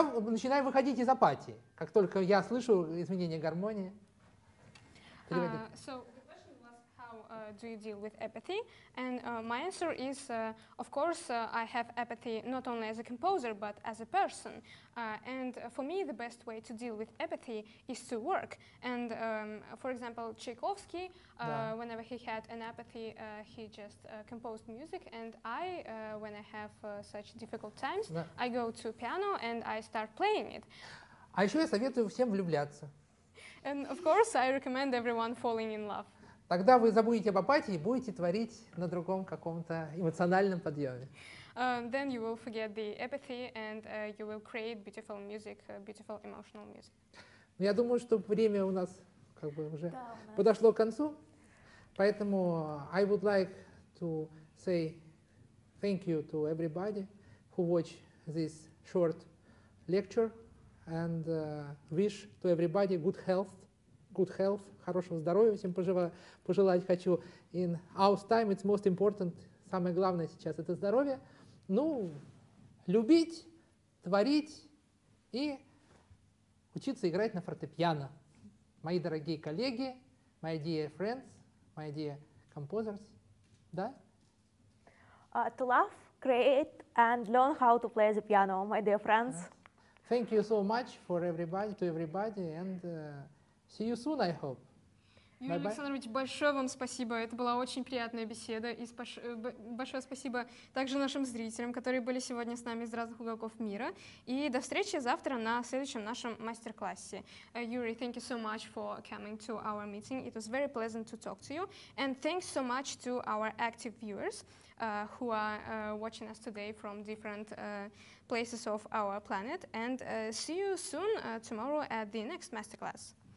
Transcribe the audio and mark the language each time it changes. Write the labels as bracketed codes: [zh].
[ru] Начинаю выходить из апатии, как только я слышу изменение гармонии. [en] So the question was how do you deal with apathy? And my answer is, of course, I have apathy not only as a composer, but as a person. And for me, the best way to deal with apathy is to work. And for example, Чайковский, whenever he had an apathy, he just composed music. And I, when I have such difficult times, I go to piano and I start playing it. [ru] А еще я советую всем влюбляться. [en] And of course, I recommend everyone falling in love. [ru] Тогда вы забудете об апатии и будете творить на другом каком-то эмоциональном подъеме. [en] Then you will forget the apathy and you will create beautiful music, beautiful emotional music. [ru] Я думаю, что время у нас как бы уже подошло к концу, поэтому [en] I would like to say thank you to everybody who watch this short lecture and wish to everybody good health, [ru] хорошего здоровья всем пожелать хочу. [en] In our time it's most important, [ru] самое главное сейчас это здоровье. Ну, любить, творить и учиться играть на фортепиано. Мои дорогие коллеги, [en] my dear friends, my dear composers, да? To love, create and learn how to play the piano, my dear friends. Thank you so much for everybody, to everybody and see you soon, I hope. Юрий Bye-bye. [ru] Александрович, большое вам спасибо. Это была очень приятная беседа. И большое спасибо также нашим зрителям, которые были сегодня с нами из разных уголков мира. И до встречи завтра на следующем нашем мастер-классе. [en] Юрий, thank you so much for coming to our meeting. It was very pleasant to talk to you. And thanks so much to our active viewers, who are watching us today from different places of our planet. And see you soon tomorrow at the next masterclass.